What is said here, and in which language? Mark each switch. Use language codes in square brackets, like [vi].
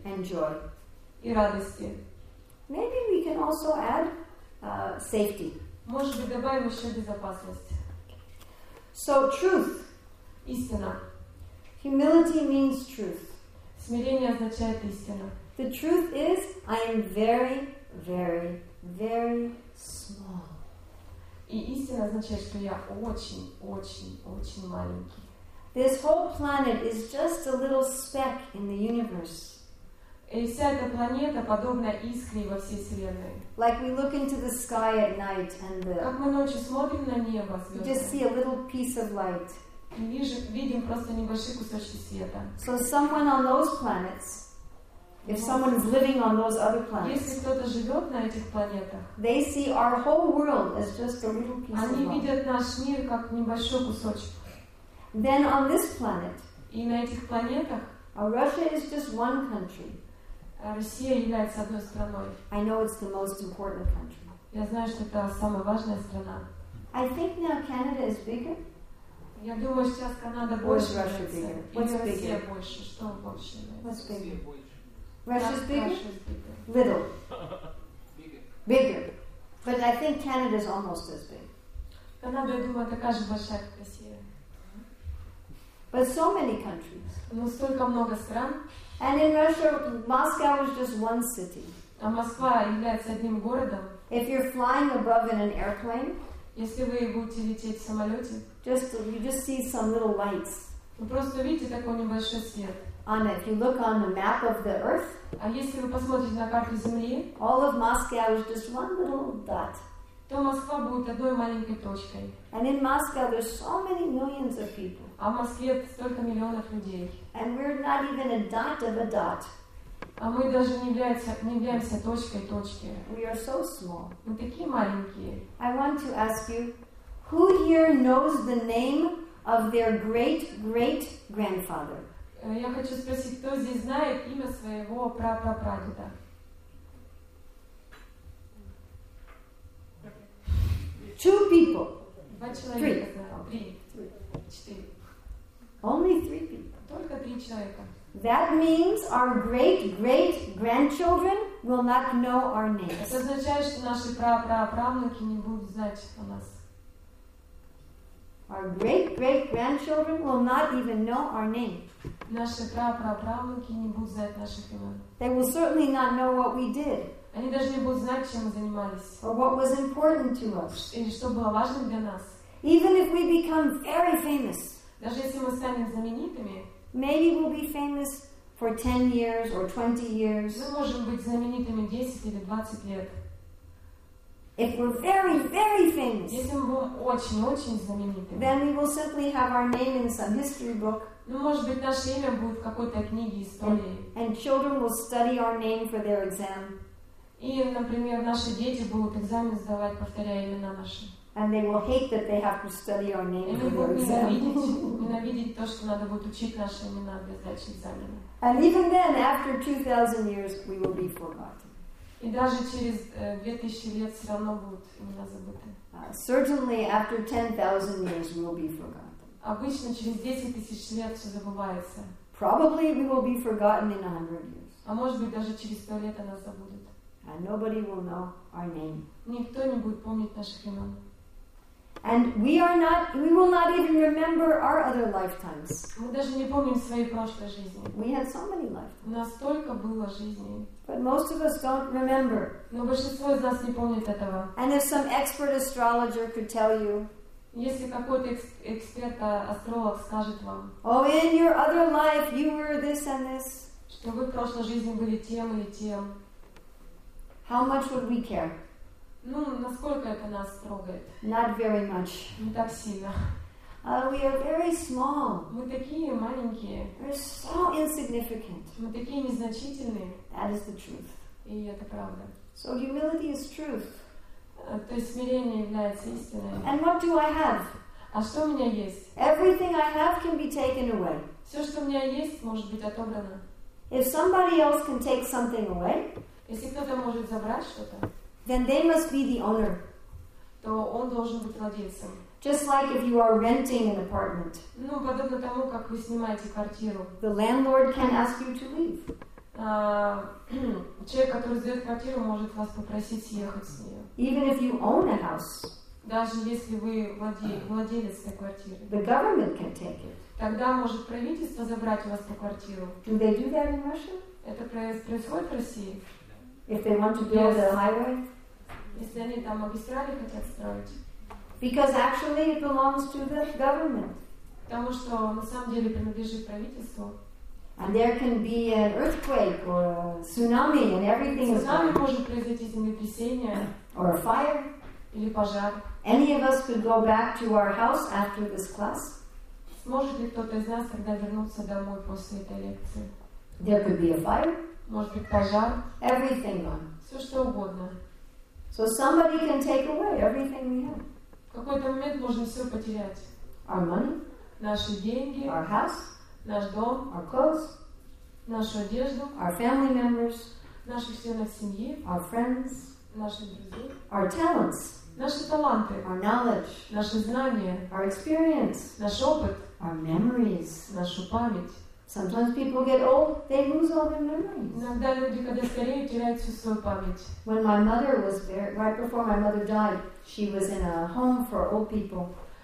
[en] And joy. [ru] И радости. [en] Maybe we can also add safety. [ru] Может быть, добавим еще безопасность. [en] So truth. [ru] Истина. [en] Humility means truth. [ru] Смирение означает истина. [en] The truth is, I am very, very, very small. [ru] И истина означает, что я очень, очень, очень маленький. [en] This whole planet is just a little speck in the universe. [ru] И вся эта планета подобна искре во всей вселенной. [en] Like we look into the sky at night and the. [ru] Как мы ночью смотрим на небо. [en] You just see a little piece of light. [ru] Видим просто небольшие кусочки света. [en] So someone on those planets. If someone is living on those other planets, [ru] если кто-то живет на этих планетах, [en] they see our whole world as just a little piece of [ru] life. Они видят наш мир как небольшой кусочек. [en] Then on this planet, [ru] и на этих планетах, [en] Russia is just one country. [ru] Россия является одной страной. [en] I know it's the most important country. [ru] Я знаю, что это самая важная страна. [en] I think now Canada is bigger. [ru] Я думаю, сейчас Канада больше. [en] What's Russia bigger? What's [ru] Россия больше? Что больше? [en] What's bigger? Russia's bigger? Little. Bigger. But I think Canada's almost as big. [ru] Канада, я думаю, такая же большая, как Россия. [en] But so many countries. [ru] Но столько много стран. [en] And in Russia, Moscow is just one city. [ru] А Москва является одним городом. [en] If you're flying above in an airplane, [ru] если вы будете лететь в самолете, [en] you just see some little lights. [ru] Вы просто видите такой небольшой свет. [en] On it. If you look on the map of the Earth, [ru] а если вы посмотрите на карту Земли, [en] all of Moscow is just one little dot. [ru] То Москва будет одной маленькой точкой. [en] And in Moscow, there's so many millions of people. [ru] А в Москве столько миллионов людей. [en] And we're not even a dot of a dot. [ru] А мы даже не являемся точкой точки. [en] We are so small. [ru] Мы такие маленькие. [en] I want to ask you, who here knows the name of their great great grandfather? [ru] Я хочу спросить, кто здесь знает имя своего прапрапрадеда? [en] Two people. [ru] Два человека. Три. Четыре. [en] Only three people. [ru] Только три человека. [en] That means our great-great-grandchildren will not know our names. [ru] Это означает, что наши прапраправнуки не будут знать о нас. [en] Our great-great-grandchildren will not even know our name. [ru] Наши прапраправнуки не будут знать наших имен. [en] They will certainly not know what we did. [ru] Они даже не будут знать, чем мы занимались. [en] Or what was important to us. [ru] Или что было важным для нас. [en] Even if we become very famous. [ru] Даже если мы станем знаменитыми. [en] Maybe we'll be famous for 10 years or 20 years. [ru] Мы можем быть знаменитыми 10 или 20 лет. [en] If we're very, very famous, [ru] если мы будем очень-очень знаменитыми, [en] then we will simply have our name in some history book. [ru] Ну, может быть, наше имя будет в какой-то книге истории. [en] And children will study our name for their exam. [ru] И, например, наши дети будут экзамен сдавать, повторяя имена наши. [en] And they will hate that they have to study our name for their exam. [ru] Ненавидеть то, что надо будет учить наши имена для сдачи экзамена. [en] And even then, after 2,000 years, we will be forgotten. [ru] И даже через 2000 лет все равно будут имена забыты. [en] Certainly, after 10,000 years, we will be forgotten. [ru] Обычно через 10,000 лет все забывается. [en] Probably, we will be forgotten in 100 years. [ru] А может быть, даже через 100 лет нас забудут. [en] And nobody will know our name. [ru] Никто не будет помнить наших имен. [en] And we will not even remember our other lifetimes. [ru] Мы даже не помним своей прошлой жизни. [en] We had so many lifetimes. [ru] У нас столько было жизней. [en] But most of us don't remember. [ru] Но большинство из нас не помнит этого. [en] And if some expert astrologer could tell you, [ru] если какой-то эксперт-астролог скажет вам, [en] oh, in your other life you were this and this, [ru] что вы в прошлой жизни были тем или тем, [en] how much would we care? [ru] Ну, насколько это нас трогает? [en] Not very much. [ru] Не так сильно. [en] We are very small. [ru] Мы такие маленькие. [en] We're so insignificant. [ru] Мы такие незначительные. [en] That is the truth. [ru] И это правда. [en] So humility is truth. [ru] То есть смирение является истиной. [en] And what do I have? [ru] А что у меня есть? [en] Everything I have can be taken away. [ru] Все, что у меня есть, может быть отобрано. [en] If somebody else can take something away, [ru] если кто-то может забрать что-то, [en] then they must be the owner. [ru] То он должен быть владельцем. [en] Just like if you are renting an apartment. [ru] Ну, подобно тому, как вы снимаете квартиру. [en] The landlord can ask you to leave. [ru] Человек, который сдает квартиру, может вас попросить съехать с нее. [en] Even if you own a house. [ru] Даже если вы владелец этой квартиры. [en] The government can take it. [ru] Тогда может правительство забрать у вас эту квартиру. [en] Do they do that in Russia? [ru] Это происходит в России? [en] If they want to build a highway. [ru] Если они там магистрали хотят строить. [en] Because actually it belongs to the government. [ru] Потому что на самом деле принадлежит правительству. [en] And there can be an earthquake or a tsunami and everything. [ru] Цунами может произойти, землетрясение. [en] Or a fire. [ru] Или пожар. [en] Any of us could go back to our house after this class. [ru] Сможет ли кто-то из нас тогда вернуться домой после этой лекции? [en] There could be a fire. [ru] может быть пожар. [en] Everything gone. [ru] Все что угодно. [en] So somebody can take away everything we have. [ru] В какой-то момент можно все потерять. [en] Our money. [ru] Наши деньги. [en] Our house. [ru] Наш дом. [en] Our clothes. [ru] Нашу одежду. [en] Our family members. [ru] Наши члены семьи. [en] Our friends. [ru] Наши друзья. [en] Our talents. [ru] Наши таланты. [en] Our knowledge. [ru] Наши знания. [en] Our experience. [ru] Наш опыт. [en] Our memories. [ru] Нашу память. [en] Sometimes people get old, they lose all their memories. [ru] Иногда люди, когда стареют, теряют всю свою память. [en] When my mother was there, right before my mother died, she was in a home for old people.